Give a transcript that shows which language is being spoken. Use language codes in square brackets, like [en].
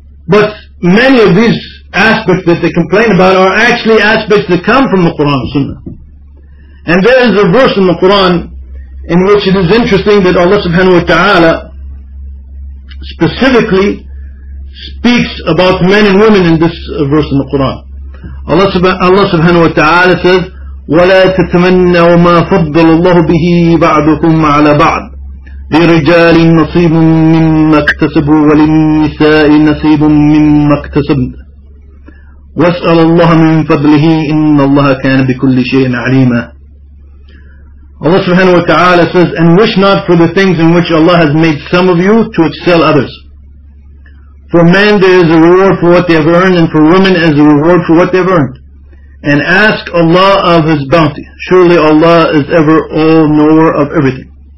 [en] But many of these aspects that they complain about are actually aspects that come from the Quran and Sunnah. And there is a verse in the Quran in which it is interesting that Allah subhanahu wa ta'ala specifically speaks about men and women in this verse in the Quran. Allah subhanahu wa ta'ala says, [ar] وَلَا تَتَمَنَّوا مَا فَضَّلَ اللَّهُ بِهِ بَعْضُكُمْ عَلَى بَعْضٍ لِرِجَالٍ نَصِيبٌ مِّمَّا اكْتَسَبُوا وَلِلنِّسَاءِ نَصِيبٌ مِّمَّا اكْتَسَبْنَ وَاسْأَلَ اللَّهَ مِن فَضْلِهِ إِنَّ اللَّهَ كَانَ بِكُلِّ شَيْءٍ عَلِيمًا. [en] Allah subhanahu wa ta'ala says, and wish not for the things in which Allah has made some of you to excel others. For men there is a reward for what they have earned, and for women is a reward for what they have earned. And ask Allah of His bounty. Surely Allah is ever all-knower of everything.